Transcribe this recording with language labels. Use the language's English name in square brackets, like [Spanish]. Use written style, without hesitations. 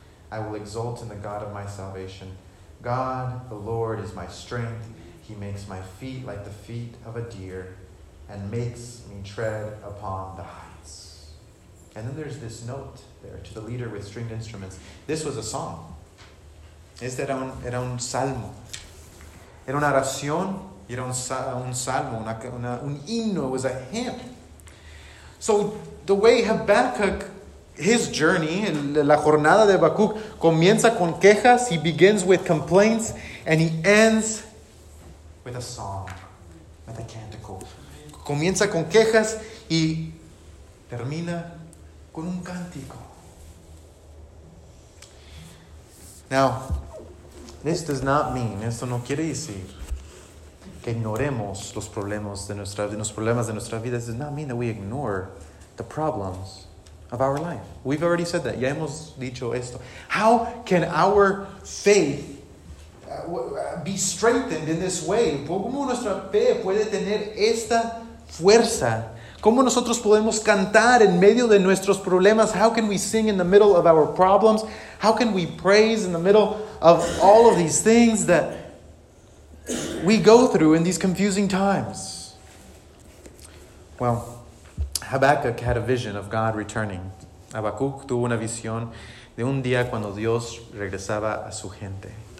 [English] I will exult in the God of my salvation. God, the Lord, is my strength. He makes my feet like the feet of a deer and makes me tread upon the heights. And then there's this note there to the leader with stringed instruments. This was a song. [Spanish] Este era un salmo. Era una oración y era un salmo, un himno. [English] It was a hymn. So the way Habakkuk, his journey, [Spanish] la jornada de Habacuc, comienza con quejas. [English] He begins with complaints and he ends with a song, with a canticle. [Spanish] Comienza con quejas y termina con un cántico. [English] Now, this does not mean, [Spanish] esto no quiere decir que ignoremos los problemas de nuestra vida. [English] This does not mean that we ignore the problems of our life. We've already said that. [Spanish] Ya hemos dicho esto. [English] How can our faith be strengthened in this way? [Spanish] ¿Cómo nuestra fe puede tener esta fuerza? ¿Cómo nosotros podemos cantar en medio de nuestros problemas? [English] How can we sing in the middle of our problems? How can we praise in the middle of all of these things that we go through in these confusing times? Well, Habakkuk had a vision of God returning. [Spanish] Habacuc tuvo una visión de un día cuando Dios regresaba a su gente.